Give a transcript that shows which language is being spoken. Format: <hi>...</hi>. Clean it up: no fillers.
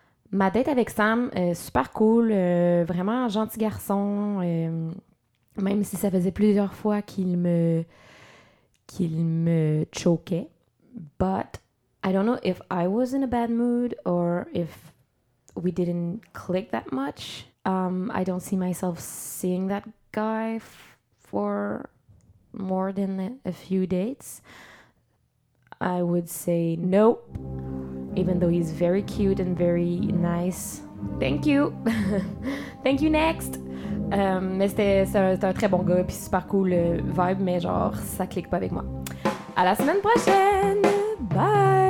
<fr>Ma date avec Sam, super cool, vraiment un gentil garçon, même si ça faisait plusieurs fois qu'il me choquait.</fr> <en>But I don't know if I was in a bad mood or if we didn't click that much. I don't see myself seeing that guy for more than a few dates. I would say nope, even though he's very cute and very nice. Thank you. Thank you, next.</en> <fr>Mais c'est un très bon gars, puis super cool vibe, mais genre, ça clique pas avec moi. À la semaine prochaine! Bye!</fr>